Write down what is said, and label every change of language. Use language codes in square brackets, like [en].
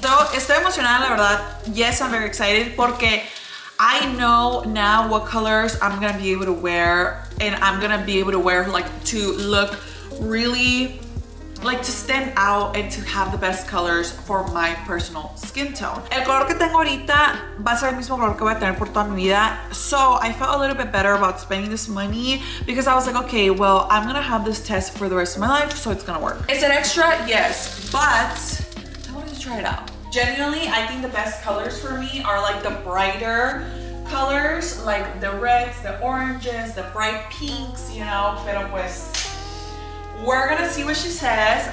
[en] So, [es] estoy emocionada, la verdad. [en] Yes, I'm very excited porque I know now what colors I'm gonna be able to wear and I'm gonna be able to wear like to look really, like to stand out and to have the best colors for my personal skin tone. [es] El color que tengo ahorita va a ser el mismo color que voy a tener por toda mi vida. [en] So I felt a little bit better about spending this money because I was like, okay, well, I'm gonna have this test for the rest of my life, so it's gonna work. Is it extra? Yes, but I wanted to try it out. Genuinely, I think the best colors for me are like the brighter colors, like the reds, the oranges, the bright pinks, you know, [es] pero pues, [en] we're gonna see what she says.